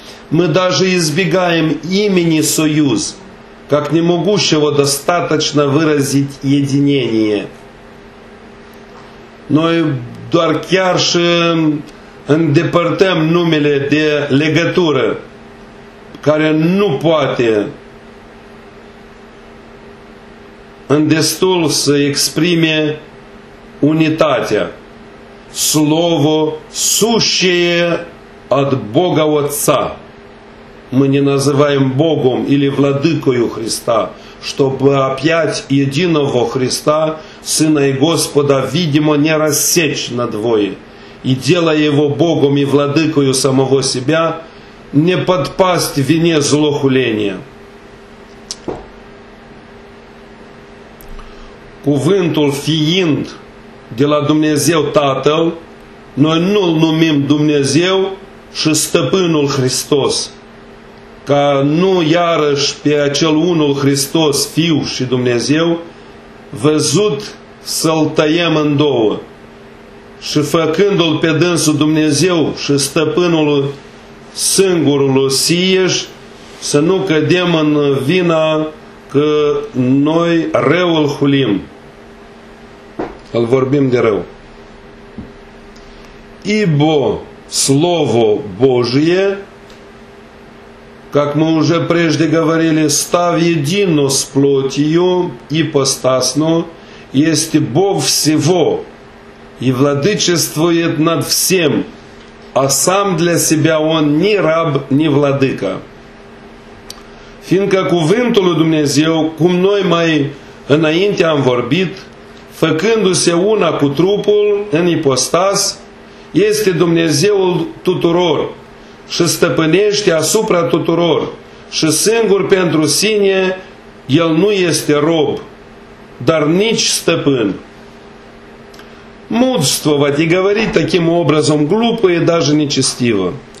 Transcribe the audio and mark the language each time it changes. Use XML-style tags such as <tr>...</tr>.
<ru>Мы даже избегаем имени союз, как не могущего достаточно выразить единение.</ru> <ro>Noi doar chiar și îndepărtăm numele de legătură care nu poate în destul să exprime unitatea.</ro> <ru>слово сущее от Бога Отца. Мы не называем Богом или Владыкою Христа, чтобы опять единого Христа, Сына и Господа, видимо, не рассечь надвое. И делая Его Богом и Владыкою самого себя, не подпасть вине злохуления.</ru> <ro>Cuvântul fiind de la Dumnezeu Tatăl, noi nu-L numim Dumnezeu și Stăpânul Hristos, ca nu iarăși pe acel unul Hristos, Fiul și Dumnezeu, văzut să-L tăiem în două. Și făcându-L pe dânsul Dumnezeu și Stăpânul singurul Osieși, să nu cădem în vina că noi răul hulim. Îl vorbim de rău.</ro> <ru>Ибо Слово Божие, как мы уже прежде говорили, став едино с плотью ипостасно, есть Бог всего и владычествует над всем, а сам для себя Он ни раб, ни владыка.</ru> <ro>Фиindcă cuvântul lui Dumnezeu, cum noi mai înainte am vorbit, făcându-se una cu trupul în ipostas, este Dumnezeul tuturor și stăpânește asupra tuturor și singur pentru sine El nu este rob, dar nici stăpân.</ro> <ru>Мудствовать и говорить таким образом глупо и даже нечестиво.</ru>